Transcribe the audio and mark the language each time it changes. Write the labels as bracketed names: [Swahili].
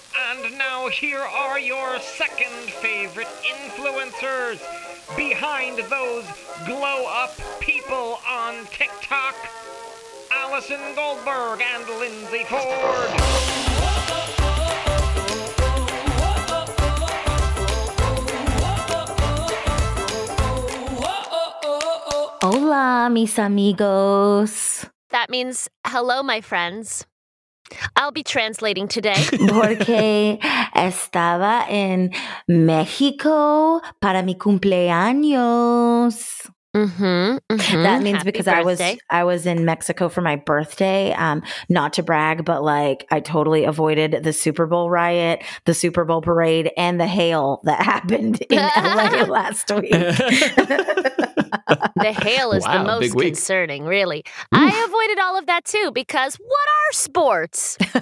[English] And now here are your second favorite influencers behind those glow up people on TikTok, Alison Goldberg and Lindsay Ford. [Spanish] Hola, mis amigos. [English] That means hello, my friends. I'll be translating today. [Spanish] Porque estaba en México para mi cumpleaños. [English] That means happy because birthday. I was in Mexico for my birthday. Not to brag, but like I totally avoided the Super Bowl riot, the Super Bowl parade, and the hail that happened in LA last week. The hail is the most concerning, really. Oof. I avoided all of that too because what are sports?